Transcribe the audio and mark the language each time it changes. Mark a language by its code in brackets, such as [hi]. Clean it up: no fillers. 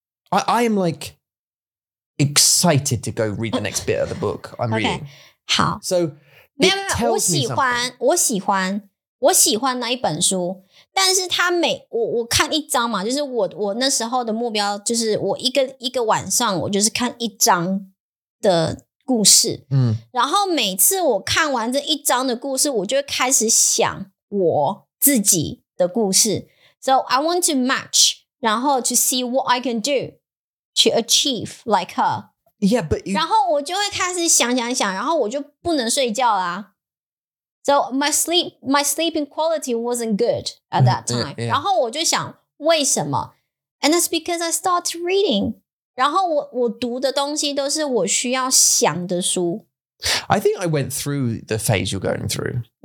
[en] I am like excited to go read the next bit of the book I'm reading. [zh] Okay, 好 [en] ，So [zh] 没有没有，我喜欢，我喜欢，我喜欢那一本书，但是他每 我看一章嘛，就是 我那时候的目标就是我一个一个晚上我就是看一章的故事，嗯，然后每次我看完这一章的故事，我就会开始想我自己的故事。 [en] So I want to match, 然后 to see what I can do to achieve like her. Yeah, but you... [zh] 然后我就会开始想想想，然后我就不能睡觉啦。 [en] So my sleeping quality wasn't good at that time. Yeah, yeah. [zh] 然后我就想为什么？ And that's because I started reading. 然后我读的东西都是我需要想的书。 [en] I think I went through the phase you're going through.